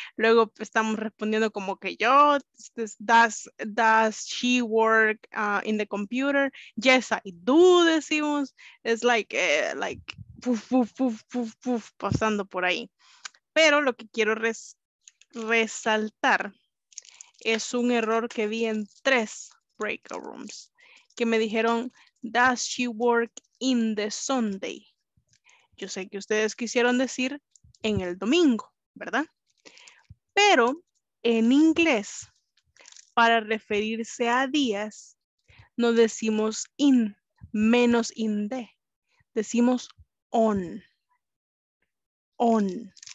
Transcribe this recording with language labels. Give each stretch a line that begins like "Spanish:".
Spanish: Luego estamos respondiendo como que yo.
English: Does she work in the computer? Yes, I do,
Spanish: decimos.
English: It's like puff, puff, puff, puff, puff,
Spanish: pasando por ahí. Pero lo que quiero resaltar es un error que vi en tres breakout rooms. Que me dijeron,
English: does she work in the Sunday?
Spanish: Yo sé que ustedes quisieron decir en el domingo, ¿verdad? Pero en inglés, para referirse a días, no decimos in, menos in de. Decimos on. On.